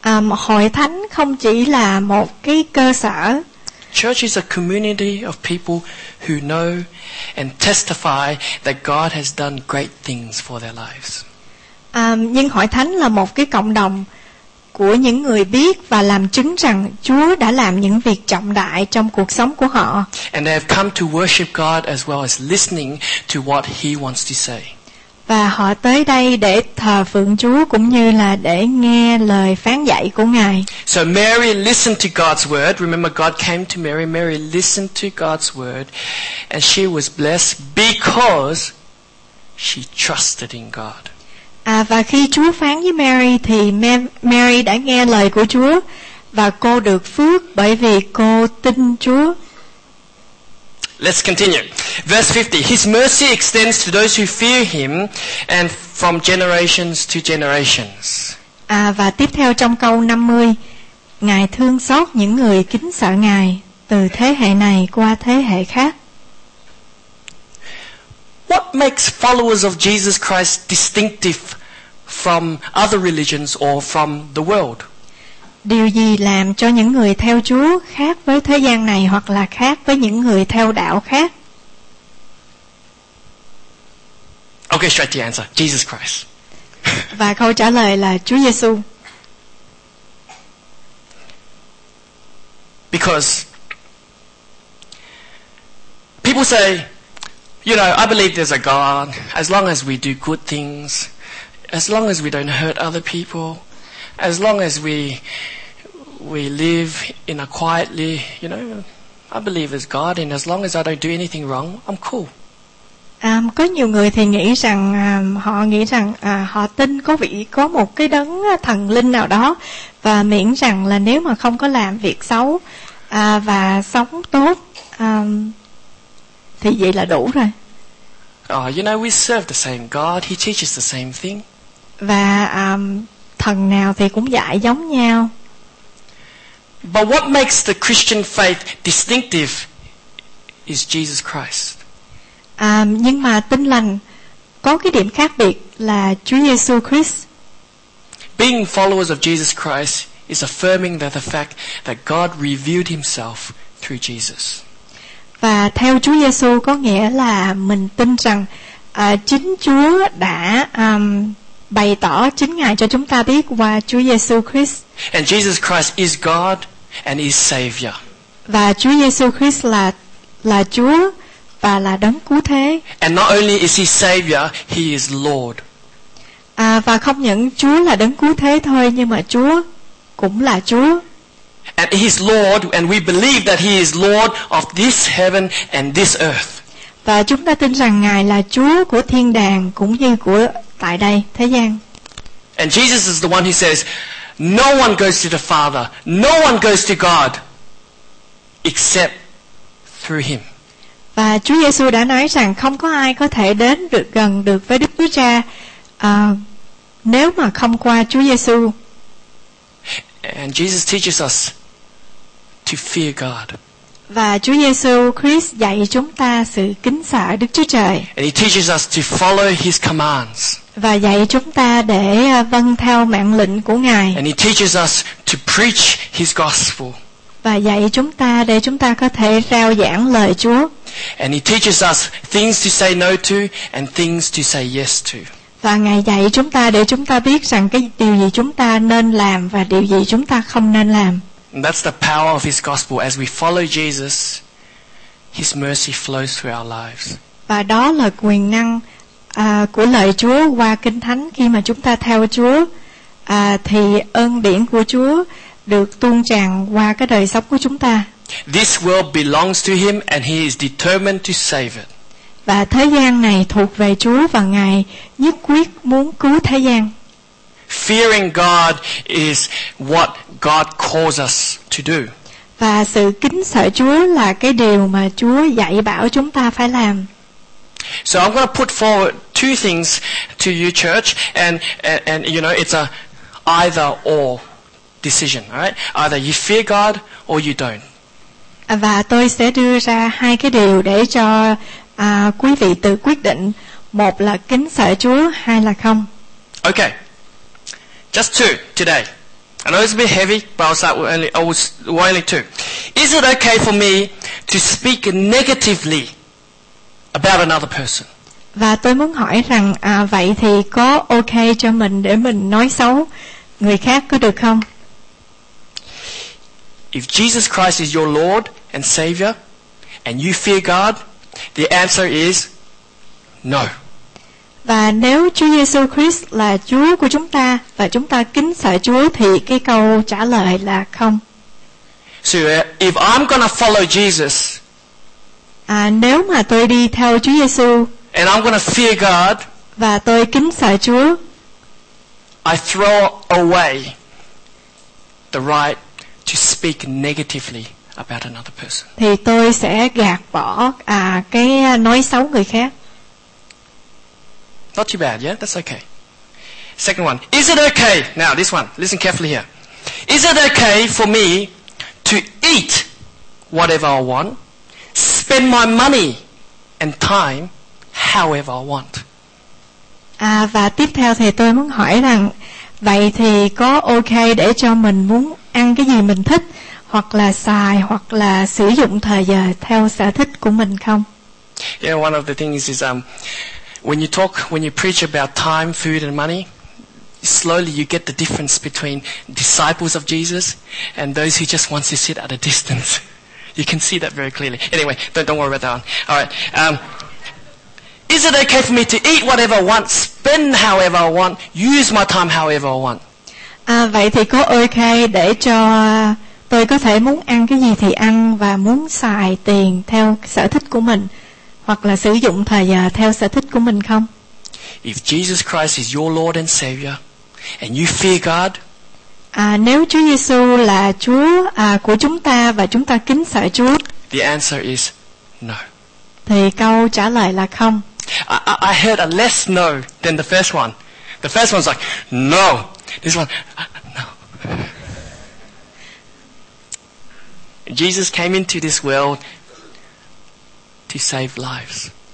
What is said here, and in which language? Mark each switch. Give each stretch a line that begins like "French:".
Vietnamese: Hội thánh không chỉ là một cái cơ sở.
English: Church is a community of people who know and testify that God has done great things for their lives.
Vietnamese: Nhưng hội thánh là một cái cộng đồng của những người biết và làm chứng rằng Chúa đã làm những việc trọng đại trong cuộc sống của họ.
English: And they have come to worship God as well as listening to what He wants to say.
Vietnamese: Và họ tới đây để thờ phượng Chúa cũng như là để nghe lời phán dạy của Ngài.
English: So Mary listened to God's word. Remember, God came to Mary. Mary listened to God's word, and she was blessed because she trusted in God.
Vietnamese: Và khi Chúa phán với Mary thì Mary đã nghe lời của Chúa và cô được phước bởi vì cô tin Chúa.
English: Let's continue. Verse 50. His mercy extends to those who fear him and from generations to generations.
Vietnamese: Và tiếp theo trong câu 50, Ngài thương xót những người kính sợ Ngài từ thế hệ này qua thế hệ khác.
English: What makes followers of Jesus Christ distinctive from other religions or from the world?
Vietnamese: Điều gì làm cho những người theo Chúa khác với thế gian này hoặc là khác với những người theo đạo khác?
English: Okay, straight to the answer. Jesus Christ.
Vietnamese: Và câu trả lời là Chúa Giêsu.
English: Because people say, you know, I believe there's a God. As long as we do good things, as long as we don't hurt other people, as long as we live in a quietly, you know, I believe there's God, and as long as I don't do anything wrong, I'm cool.
Vietnamese: Có nhiều người thì nghĩ rằng họ nghĩ rằng họ tin có vị có một cái đấng thần linh nào đó, và miễn rằng là nếu mà không có làm việc xấu và sống tốt. Thì vậy là đủ rồi.
English: Oh, you know, we serve the same God. He teaches the same thing.
Vietnamese: Và thần nào thì cũng dạy giống nhau.
English: But what makes the Christian faith distinctive is Jesus Christ.
Vietnamese: Nhưng mà tin lành có cái điểm khác biệt là Chúa Giêsu Christ.
English: Being followers of Jesus Christ is affirming that the fact that God revealed himself through Jesus.
Vietnamese: Và theo Chúa Giêsu có nghĩa là mình tin rằng chính Chúa đã bày tỏ chính Ngài cho chúng ta biết qua Chúa Giêsu Christ.
English: And Jesus Christ is God and is Savior.
Vietnamese: Và Chúa Giêsu Christ là Chúa và là đấng cứu thế.
English: And not only is he Savior, he is Lord.
Vietnamese: Và không những Chúa là đấng cứu thế thôi, nhưng mà Chúa cũng là Chúa.
English: And he is Lord, and we believe that he is Lord of this heaven and this earth.
Vietnamese: Và chúng ta tin rằng Ngài là Chúa của thiên đàng cũng như của tại đây thế gian.
English: And Jesus is the one who says, no one goes to the Father, no one goes to God except through him.
Vietnamese: Và Chúa Giêsu đã nói rằng không có ai có thể đến được gần được với Đức Chúa Cha nếu mà không qua Chúa Giêsu.
English: And Jesus teaches us to fear God.
Vietnamese: Và Chúa Giêsu Christ dạy chúng ta sự kính sợ Đức Chúa Trời.
English: And he teaches us to follow his commands.
Vietnamese: Và dạy chúng ta để vâng theo mạng lệnh của Ngài.
English: And he teaches us to preach his gospel.
Vietnamese: Và dạy chúng ta để chúng ta có thể rao giảng lời Chúa.
English: And he teaches us things to say no to and things to say yes to.
Vietnamese: Và Ngài dạy chúng ta để chúng ta biết rằng cái điều gì chúng ta nên làm và điều gì chúng ta không nên làm.
English: And that's the power of his gospel. As we follow Jesus, his mercy flows through our lives.
Vietnamese: Và đó là quyền năng của lời Chúa qua Kinh Thánh. Khi mà chúng ta theo Chúa, thì ơn điển của Chúa được tuôn tràn qua cái đời sống của chúng ta.
English: This world belongs to him and he is determined to save it.
Vietnamese: Và thế gian này thuộc về Chúa và Ngài nhất quyết muốn cứu thế gian.
English: Fearing God is what God calls us to do.
Vietnamese: Và sự kính sợ Chúa là cái điều mà Chúa dạy bảo chúng ta phải làm.
English: So I'm going to put forward two things to you, church, and you know, it's a either or decision, right? Either you fear God or you don't.
Vietnamese: Và tôi sẽ đưa ra hai cái điều để cho quý vị tự quyết định. Một là kính sợ Chúa, hai là không.
English: Okay. Just two today. I know it's a bit heavy, but I'll start with only two. Is it okay for me to speak negatively about another person?
Vietnamese: Và tôi muốn hỏi rằng vậy thì có okay cho mình để mình nói xấu người khác có được không?
English: If Jesus Christ is your Lord and Savior and you fear God, the answer is no.
Vietnamese: Và nếu Chúa Giêsu Christ là Chúa của chúng ta và chúng ta kính sợ Chúa thì cái câu trả lời là không.
English: So if I'm gonna follow Jesus,
Vietnamese: nếu mà tôi đi theo Chúa Giêsu,
English: and I'm gonna fear God,
Vietnamese: và tôi kính sợ Chúa,
English: I throw away the right to speak negatively about another person.
Vietnamese: Thì tôi sẽ gạt bỏ cái nói xấu người khác.
English: Not too bad, yeah? That's okay. Second one. Is it okay? Now, this one. Listen carefully here. Is it okay for me to eat whatever I want, spend my money and time however I want?
Vietnamese: Và tiếp theo thì tôi muốn hỏi rằng vậy thì có okay để cho mình muốn ăn cái gì mình thích hoặc là xài hoặc là sử dụng thời giờ theo sở thích của mình không?
English: Yeah, one of the things is when you talk, when you preach about time, food and money, slowly you get the difference between disciples of Jesus and those who just want to sit at a distance. You can see that very clearly. Anyway, don't worry about that one. All right. Is it okay for me to eat whatever I want, spend however I want, use my time however I want?
Vietnamese: Vậy thì có okay để cho tôi có thể muốn ăn cái gì thì ăn và muốn xài tiền theo sở thích của mình. Hoặc là sử dụng thời giờ theo sở thích của mình không?
English: If Jesus Christ is your Lord and Savior and you fear God,
Vietnamese: nếu Chúa Giêsu là Chúa của chúng ta và chúng ta kính sợ Chúa,
English: the answer is no.
Vietnamese: Thì câu trả lời là không.
English: I heard a less no than the first one. The first one's like no. This one, no. Jesus came into this world to save lives.